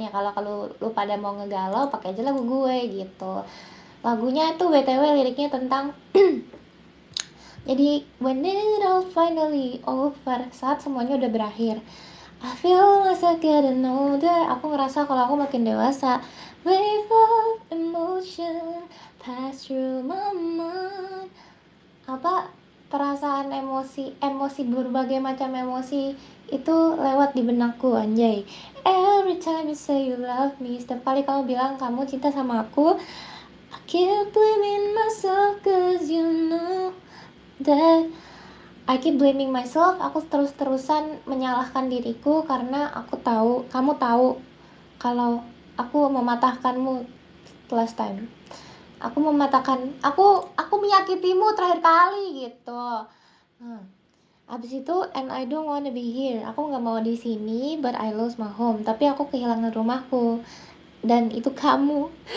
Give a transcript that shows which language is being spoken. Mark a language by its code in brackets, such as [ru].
[id] Ya, kalau lu pada mau ngegalau, pakai aja lagu gue gitu. Lagunya itu BTW liriknya tentang... Jadi, [en] when it all finally over, [id] saat semuanya udah berakhir, [en] I feel myself getting older. [id] Aku ngerasa kalau aku makin dewasa. [en] Wave of emotion pass through my mind. [id] Apa, perasaan emosi berbagai macam emosi itu lewat di benakku, anjay. [en] Every time you say you love me, [id] setiap kali kamu bilang kamu cinta sama aku, [en] I keep blaming myself cause you know that I keep blaming myself. [id] Aku terus-terusan menyalahkan diriku karena aku tahu, kamu tahu kalau aku mematahkanmu [en] last time. [id] Aku menyakitimu terakhir kali gitu. Abis itu, [en] and I don't wanna be here. [id] Aku nggak mau di sini, [en] but I lost my home. [id] Tapi aku kehilangan rumahku dan itu kamu.